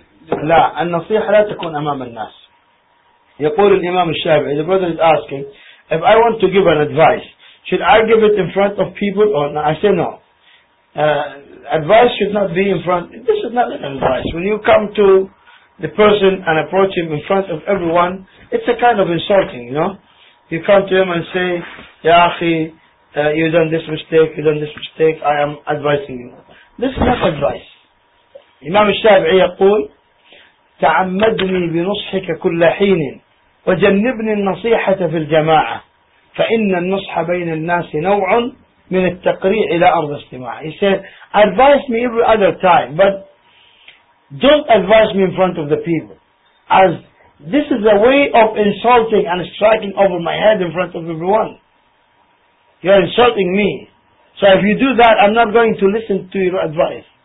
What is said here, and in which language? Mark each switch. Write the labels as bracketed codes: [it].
[ar] La, النصيحة لا تكون أمام الناس. يقول الإمام الشافعي, [en] the brother is asking, if I want to give an advice, should I give it in front of people or not? I say no. Advice should not be in front. This is not an advice. When you come to the person and approach him in front of everyone, it's a kind of insulting, you know. You come to him and say, "Ya akhi, you done this mistake, you done this mistake, I am advising you." This is not advice. [ar] Imam al-Shafi'i يقول, تعمدني بنصحك كل حين وجنبني النصيحة في الجماعة فإن النصح بين الناس نوع من التقريع إلى أرض الاستماع. [en] He said, advise me every other time, but don't advise me in front of the people, as this is a way of insulting and striking over my head in front of everyone. You're insulting me. So if you do that, I'm not going to listen to your advice.